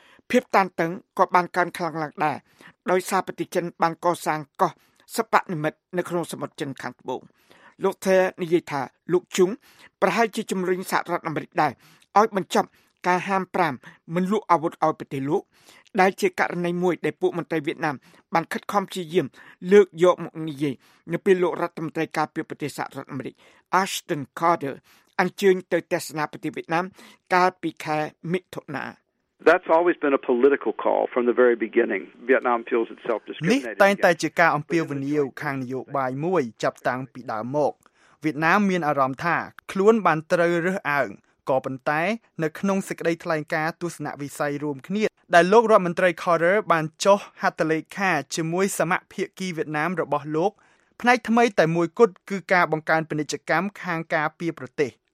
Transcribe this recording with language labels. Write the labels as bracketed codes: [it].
[km] ភាពតានតឹងក៏បានកើនខ្លាំងឡើងដែរដោយសារប្រទេសចិនបានកសាងកោះសិប្បនិម្មិតនៅក្នុងសមុទ្រចិនខាងត្បូងលោកថេនិយាយថាលោកជុងប្រហែលជាជំរុញសហរដ្ឋអាមេរិកដែរឲ្យបញ្ចប់ការហាមប្រាមមិនលក់អាវុធឲ្យប្រទេសលោកដែលជាករណីមួយដែលពួកមន្ត្រីវៀតណាមបានខិតខំព្យាយាមលើកយកមកនិយាយនៅពេលលោករដ្ឋមន្ត្រីការពារប្រទេសសហរដ្ឋអាមេរិក Ashton Carter អញ្ជើញទៅទស្សនាប្រទេសវៀតណាមកាលពីខែមិថុនា [en] That's always been a political call from the very beginning. Vietnam feels itself discriminated. [km] នេះតែងតែជាការអំពាវនាវខាងនយោបាយមួយចាប់តាំងពីដើមមកវៀតណាមមានអារម្មណ៍ថាខ្លួនបានត្រូវរើសអើងក៏ប៉ុន្តែនៅក្នុងសេចក្តីថ្លែងការណ៍ទស្សនវិស័យរួមគ្នាដែលលោករដ្ឋមន្ត្រី Carter បានចុះហត្ថលេខាជាមួយសមាភាគីវៀតណាមរបស់លោកផ្នែកថ្មីតែមួយគត់គឺការបង្កើនពាណិជ្ជកម្មខាងការពារប្រទេស